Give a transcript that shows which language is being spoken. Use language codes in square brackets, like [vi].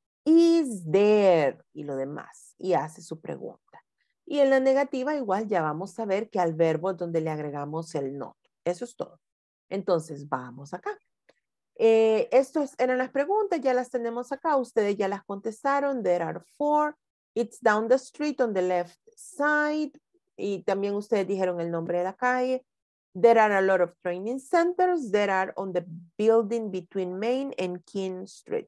[en] Is there, [es] y lo demás, y hace su pregunta. Y en la negativa, igual ya vamos a ver que al verbo es donde le agregamos el not. Eso es todo. Entonces, vamos acá. Estas eran las preguntas, ya las tenemos acá, ustedes ya las contestaron. [en] There are four. It's down the street on the left side. [es] Y también ustedes dijeron el nombre de la calle. [en] There are a lot of training centers that are on the building between Main and King Street.